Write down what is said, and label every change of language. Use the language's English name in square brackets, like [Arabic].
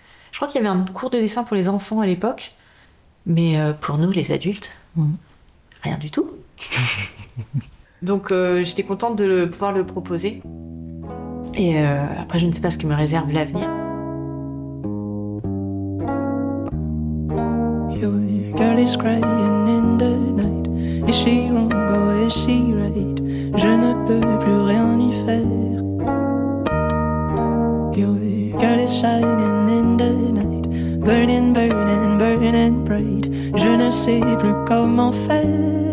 [French] Je crois qu'il y avait un cours de dessin pour les enfants à l'époque, mais pour nous, les adultes, rien du tout. Donc, j'étais contente de pouvoir le proposer. Et après, je ne sais pas ce que me réserve l'avenir. [English] Your girl is crying in the night. Is she wrong or is she right? [French] Je ne peux plus rien y faire. [English] Your girl is shining in the night. Burning, burning, burning bright. [French] Je ne sais plus comment faire.